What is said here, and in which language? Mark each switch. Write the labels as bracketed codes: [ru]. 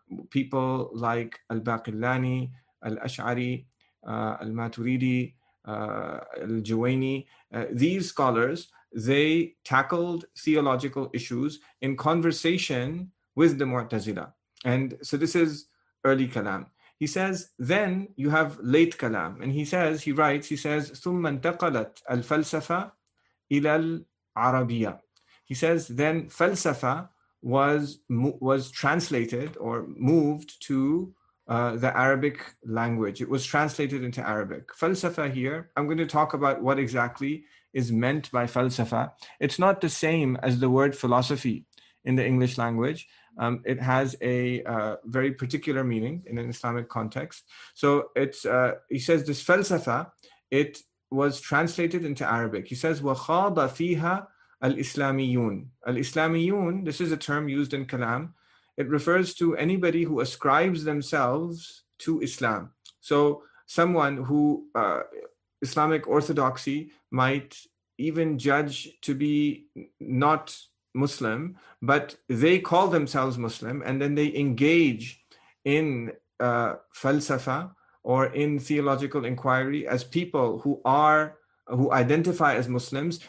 [en] people like Al-Baqillani, Al-Ash'ari, Al-Maturidi, Al-Juwayni, these scholars, they tackled theological issues in conversation with the Mu'tazila. And so this is early kalam. He says, then you have late kalam. And he writes, [ar] ثُمَّ انْتَقَلَتْ الْفَلْسَفَةَ إِلَى الْعَرَبِيَةِ. [en] He says, then falsafa was translated or moved to the Arabic language. It was translated into Arabic. Falsafa here, I'm going to talk about what exactly is meant by falsafa. It's not the same as the word philosophy in the English language. It has a very particular meaning in an Islamic context. So it's he says this falsafa, it was translated into Arabic. He says, [ar] وَخَاضَ فِيهَا الْإِسْلَامِيُونَ. [en] Al-Islamiyun, this is a term used in Kalam. It refers to anybody who ascribes themselves to Islam. So someone who Islamic orthodoxy might even judge to be not Muslim, but they call themselves Muslim, and then they engage in falsafa or in theological inquiry as people who identify as Muslims.